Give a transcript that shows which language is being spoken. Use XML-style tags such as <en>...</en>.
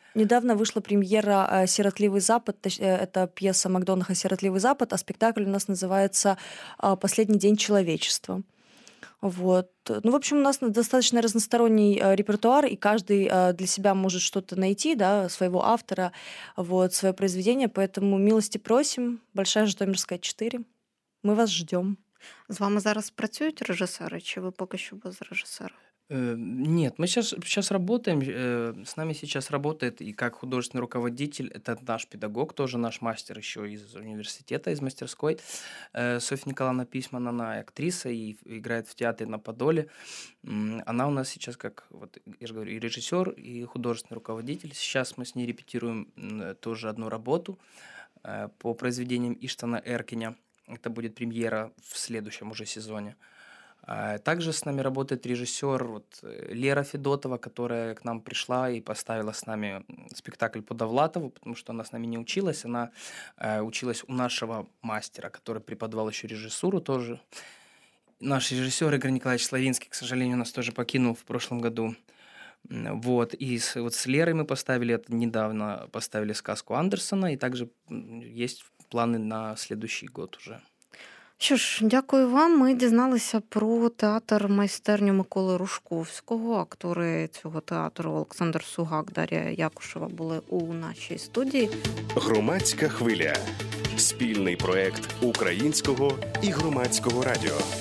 <ru>Недавно вышла премьера «Сиротливый Запад». Это пьеса Макдонаха «Сиротливый Запад», а спектакль у нас называется «Последний день человечества». Вот. Ну, в общем, у нас достаточно разносторонний репертуар, и каждый для себя может что-то найти, да, своего автора, вот, свое произведение. Поэтому милости просим. Большая Житомирская, 4. Ми вас ждем.</ru> <uk>З вами зараз працюють режисери, чи ви поки що без режисера?</uk> <ru>Нет, мы сейчас работаем, с нами сейчас работает и как художественный руководитель, это наш педагог, тоже наш мастер еще из университета, из мастерской, Софья Николаевна Письман, она актриса и играет в театре на Подоле, она у нас сейчас, как вот я же говорю, и режиссер, и художественный руководитель, сейчас мы с ней репетируем тоже одну работу по произведениям Иштвана Эркиня, это будет премьера в следующем уже сезоне. Также с нами работает режиссер вот, Лера Федотова, которая к нам пришла и поставила с нами спектакль по Довлатову, потому что она с нами не училась. Она училась у нашего мастера, который преподавал еще режиссуру тоже. Наш режиссер Игорь Николаевич Славинский, к сожалению, нас тоже покинул в прошлом году. Вот, и с, вот с Лерой мы поставили, это недавно поставили сказку Андерсона, и также есть планы на следующий год уже.</ru> <uk>Що ж, дякую вам. Ми дізналися про театр-майстерню Миколи Рушковського. Актори цього театру Олександр Сугак, Дар'я Якушева були у нашій студії. Громадська хвиля. Спільний проєкт Українського і Громадського радіо.</uk>